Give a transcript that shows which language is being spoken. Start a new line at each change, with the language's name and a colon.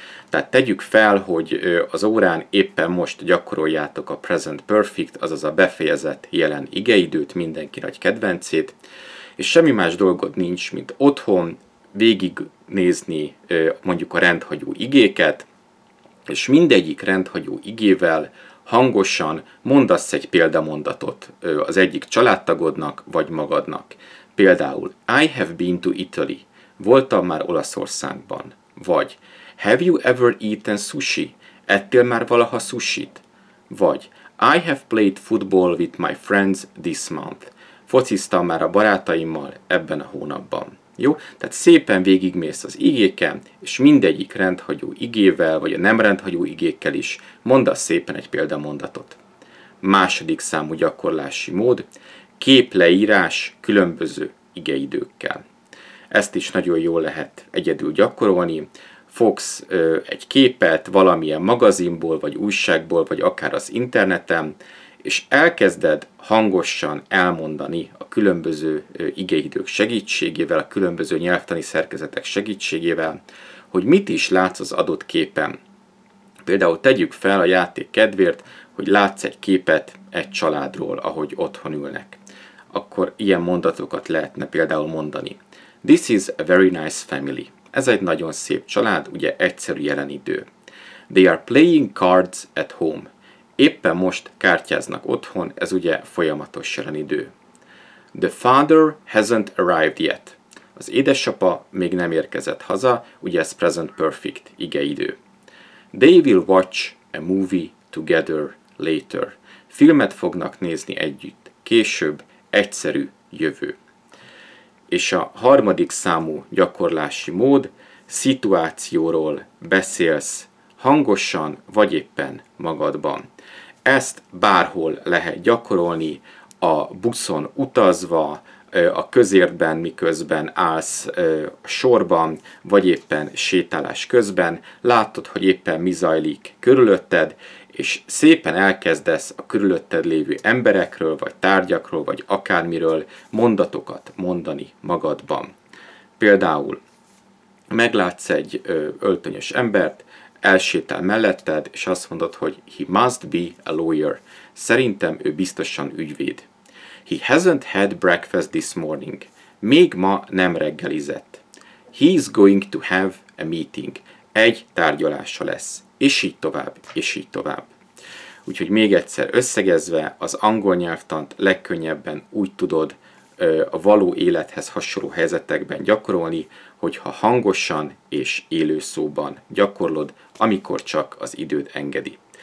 Hungarian: Tehát tegyük fel, hogy az órán éppen most gyakoroljátok a present perfect, azaz a befejezett jelen igeidőt, mindenki nagy kedvencét, és semmi más dolgod nincs, mint otthon végignézni mondjuk a rendhagyó igéket, és mindegyik rendhagyó igével hangosan mondasz egy példamondatot az egyik családtagodnak vagy magadnak. Például,
English: I have been to Italy,
Hungarian: voltam már Olaszországban, vagy
English: Have you ever eaten sushi?
Hungarian: Ettél már valaha sushit? Vagy
English: I have played football with my friends this month.
Hungarian: Fociztam már a barátaimmal ebben a hónapban. Jó? Tehát szépen végigmész az igéken, és mindegyik rendhagyó igével, vagy a nem rendhagyó igékkel is mondasz szépen egy példamondatot. Második számú gyakorlási mód, képleírás különböző igeidőkkel. Ezt is nagyon jól lehet egyedül gyakorolni. Fogsz egy képet valamilyen magazinból, vagy újságból, vagy akár az interneten, és elkezded hangosan elmondani a különböző igeidők segítségével, a különböző nyelvtani szerkezetek segítségével, hogy mit is látsz az adott képen. Például tegyük fel a játék kedvéért, hogy látsz egy képet egy családról, ahogy otthon ülnek. Akkor ilyen mondatokat lehetne például mondani.
English: This is a very nice family.
Hungarian: Ez egy nagyon szép család, ugye egyszerű jelen idő.
English: They are playing cards at home.
Hungarian: Éppen most kártyáznak otthon, ez ugye folyamatos jelen idő.
English: The father hasn't arrived yet.
Hungarian: Az édesapa még nem érkezett haza, ugye ez present perfect igeidő.
English: They will watch a movie together later.
Hungarian: Filmet fognak nézni együtt később, egyszerű jövő. És a harmadik számú gyakorlási mód, szituációról beszélsz hangosan, vagy éppen magadban. Ezt bárhol lehet gyakorolni, a buszon utazva, a közértben, miközben állsz sorban, vagy éppen sétálás közben, látod, hogy éppen mi zajlik körülötted, és szépen elkezdesz a körülötted lévő emberekről, vagy tárgyakról, vagy akármiről mondatokat mondani magadban. Például meglátsz egy öltönyös embert, elsétál melletted, és azt mondod, hogy
English: he must be a lawyer.
Hungarian: Szerintem ő biztosan ügyvéd.
English: He hasn't had breakfast this morning.
Hungarian: Még ma nem reggelizett.
English: He's going to have a meeting.
Hungarian: Egy tárgyalása lesz. És így tovább, és így tovább. Úgyhogy még egyszer összegezve, az angol nyelvtant legkönnyebben úgy tudod a való élethez hasonló helyzetekben gyakorolni, hogyha hangosan és élő szóban gyakorlod, amikor csak az időd engedi.